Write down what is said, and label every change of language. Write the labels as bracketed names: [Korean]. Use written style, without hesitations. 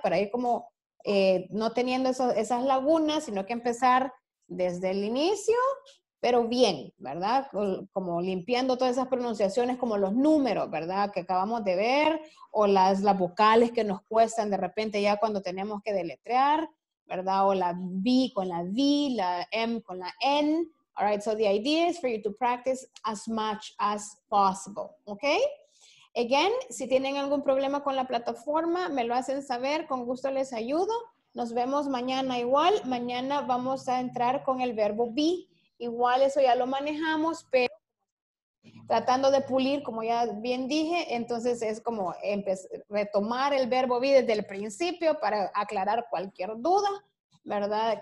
[Spanish] Para ir como no teniendo esas lagunas, sino que empezar desde el inicio, pero bien, ¿verdad? Como limpiando todas esas pronunciaciones, como los números, ¿verdad? Que acabamos de ver, o las vocales que nos cuestan de repente ya cuando tenemos que deletrear, ¿verdad? O la B con la D, la M con la N. [English] All right, so the idea is for you to practice as much as possible, okay? Again, [Spanish] si tienen algún problema con la plataforma, me lo hacen saber, con gusto les ayudo. Nos vemos mañana igual. Mañana vamos a entrar con el verbo be. Igual eso ya lo manejamos, pero tratando de pulir, como ya bien dije, entonces es como retomar el verbo be desde el principio para aclarar cualquier duda, ¿verdad?